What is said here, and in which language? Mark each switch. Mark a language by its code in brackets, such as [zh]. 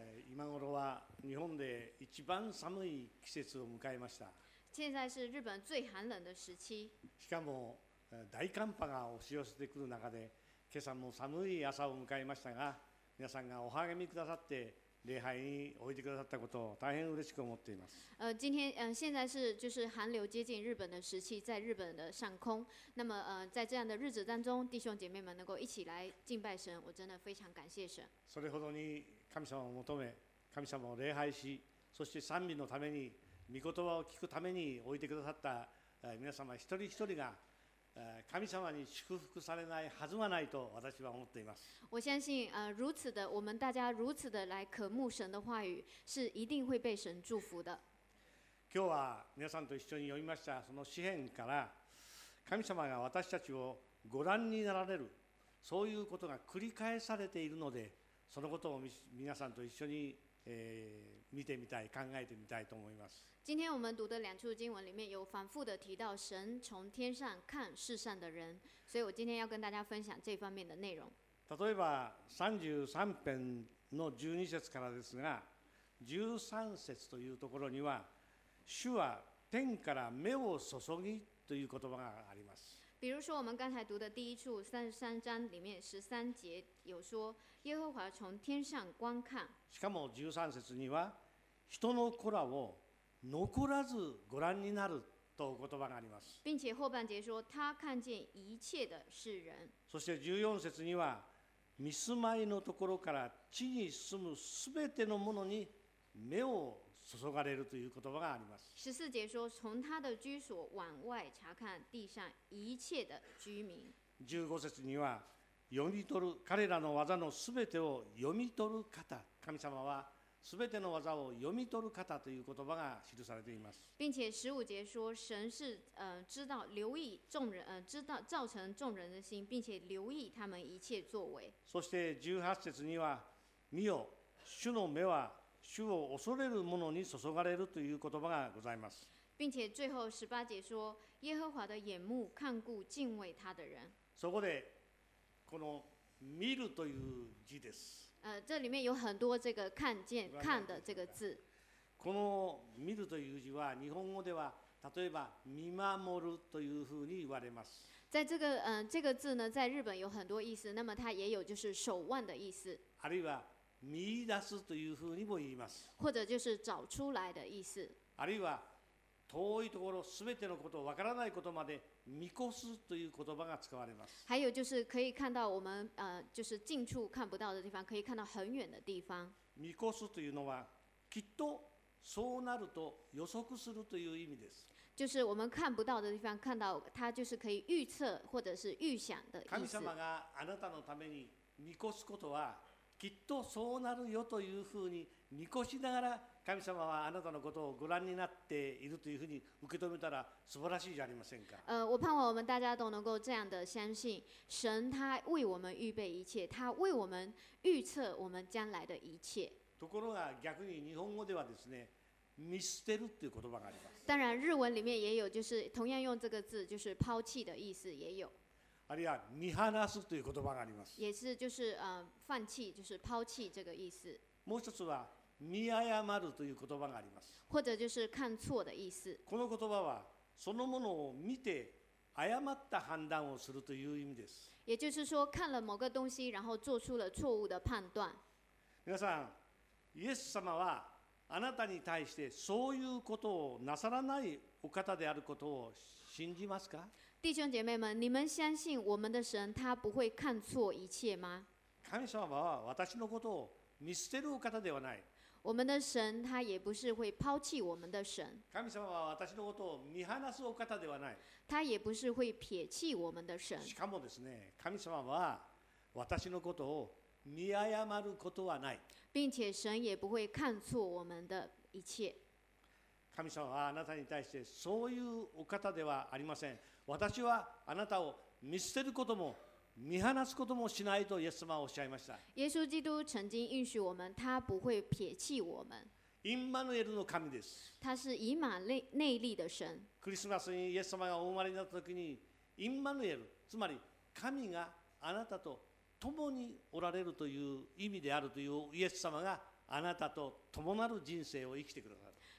[ja] 今頃は日本で一番寒い季節を迎えました。 [zh] 现在是日本最寒冷的时期。 [ja] しかも大寒波が押し寄せてくる中で、今朝も寒い朝を迎えましたが、皆さんがお励みくださって礼拝においてくださったことを大変嬉しく思っています。 [zh] 今天，现在是就是寒流接近日本的时期，在日本的上空。那么，在这样的日子当中，弟兄姐妹们能够一起来敬拜神，我真的非常感谢神。 [ja] それほどに神様を求め、神様を礼拝し、そして賛美のために御言葉を聞くためにおいてくださった皆様一人一人が。神様に祝福されないはずがないと私は思っています。 [zh] 我相信，如此的，我们大家如此的来渴慕神的话语，是一定会被神祝福的。 [ja] 今日は皆さんと一緒に読みましたその詩篇から、神様が私たちをご覧になられる、そういうことが繰り返されているので、そのことを皆さんと一緒に。見てみたい、考えてみたいと思います。 [zh] 今天我们读的两处经文里面有反复的提到神从天上看世上的人，所以我今天要跟大家分享这方面的内容。 [ja] 例えば33篇の12節からですが、13節というところには主は天から目を注ぎという言葉があります。 [zh] 比如说我们刚才读的第一处三十三章里面十三节有说耶和华从天上观看， [ja] しかも十三節には人の子らを残らずご覧になるとお言葉があります。 [zh] 并且后半节说他看见一切的是人。 [ja] そして十四節には御住まいのところから地に住むすべてのものに目を注がれるという言葉があります。 [zh] 十四節说从他的居所往外查看地上一切的居民。 [ja] 十五節には読み取る彼らの技のすべてを読み取る方、神様はすべての技を読み取る方という言葉が記されています。 [zh] 并且十五節说神是知道留意众人，知道造成众人的心，并且留意他们一切作为。 [ja] そして十八節には見よ主の目は主を恐れる者に注がれるという言葉がございます。 [zh] 并且最后十八节说耶和华的眼目看顾敬畏他的人。 [ja] そこでこの見るという字です。 [zh] 这里面有很多这个看见看的这个字。 [ja] この見るという字は日本語では例えば見守るというふうに言われます。 [zh] 在这个这个字呢在日本有很多意思，那么它也有就是守望的意思。 [ja] あるいは見出すというふうにも言います。 [zh] 或者就是找出来的意思。 [ja] あるいは遠いところ全てのことわからないことまで見越すという言葉が使われます。 [zh] 还有就是可以看到我们就是近处看不到的地方，可以看到很远的地方。 [ja] 見越すというのはきっとそうなると予測するという意味です。 [zh] 就是我们看不到的地方，看到它就是可以预测或者是预想的意思。 [ja] 神様があなたのために見越すことはきっとそうなるよというふうに見越しながら神様はあなたのことをご覧になっているというふうに受け止めたら素晴らしいじゃありませんか。 [zh] 我盼望我们大家都能够这样的相信神他为我们预备一切，他为我们预测我们将来的一切。 [ja] ところが逆に日本語ではですね見捨てるという言葉があります。 [zh] 当然日文里面也有就是同样用这个字就是抛弃的意思也有。 [ja] あるいは見放すという言葉があります。 [zh] 也是就是放弃就是抛弃这个意思。 [ja] もう一つは見誤るという言葉があります。 [zh] 或者就是看错的意思。 [ja] この言葉はそのものを見て誤った判断をするという意味です。 [zh] 也就是说看了某个东西然后做出了错误的判断。 [ja] 皆さんイエス様はあなたに対してそういうことをなさらないお方であることを信じますか？ [zh] 弟兄姐妹们，你们相信我们的神他不会看错一切吗？ [ja] 神様は私のことを見捨てるお方ではない。 [zh] 我们的神他也不是会抛弃我们的神。 [ja] 神様は私のことを見放すお方ではない。 [zh] 他也不是会撇弃我们的神。 [ja] しかもですね、神様は私のことを見誤ることはない。 [zh] 并且神也不会看错我们的一切。 [ja] 神様はあなたに対してそういうお方ではありません。私はあなたを見捨てることも見放すこともしないとイエス様はおっしゃいました。 [zh] 耶稣基督曾经应许我们他不会撇弃我们。 [ja] インマヌエルの神です。 [zh] 他是以马内利的神。 [ja] クリスマスにイエス様がお生まれになった時にインマヌエルつまり神があなたと共におられるという意味であるというイエス様があなたと共なる人生を生きてくださる。